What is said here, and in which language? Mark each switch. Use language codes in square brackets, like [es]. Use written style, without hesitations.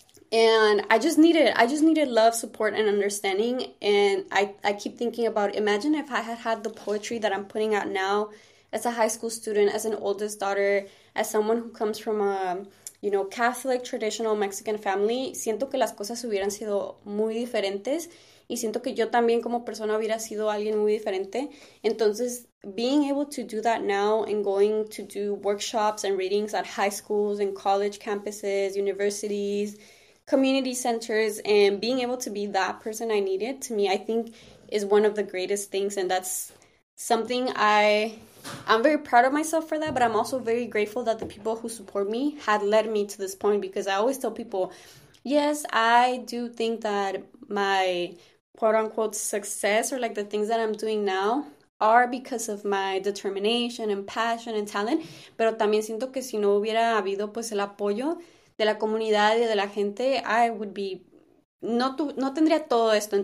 [en] And I just needed love, support, and understanding. And I keep thinking about, imagine if I had had the poetry that I'm putting out now as a high school student, as an oldest daughter, as someone who comes from a, Catholic, traditional Mexican family. [es] Siento que las cosas hubieran sido muy diferentes. Y siento que yo también como persona hubiera sido alguien muy diferente. [en] Entonces, being able to do that now and going to do workshops and readings at high schools and college campuses, universities, community centers, and being able to be that person I needed, to me, I think is one of the greatest things. And that's something I'm very proud of myself for that, but I'm also very grateful that the people who support me had led me to this point because I always tell people, yes, I do think that my quote unquote success or like the things that I'm doing now are because of my determination and passion and talent, [es] pero también siento que si no hubiera habido pues el apoyo de la comunidad y de la gente, [en] I would be [es] no tendría todo esto.